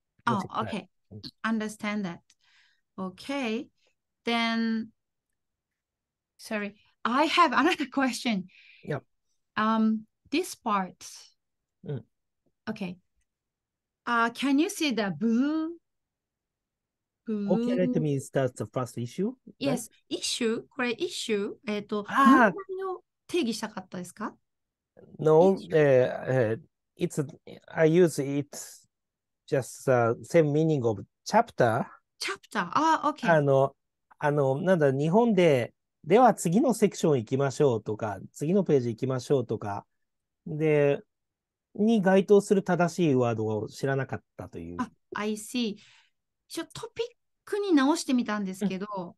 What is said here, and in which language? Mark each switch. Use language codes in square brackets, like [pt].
[en] oh, okay, understand that. Okay, then, sorry, I have another question. Yeah. This part, okay. Can you see the blue? Okay, let me start the first issue.、Right? Yes, issue. これ issue? [ja] 問題を定義したかったですか? [en] No, I use it just the same meaning of chapter. Chapter, okay. [ja] なんだ、日本で、では次のセクション行きましょうとか、次のページ行きましょうとか、で、に該当する正しいワードを知らなかったという。 [en] あ、I see。 [ja] ちょっとトピックに直してみたんですけど、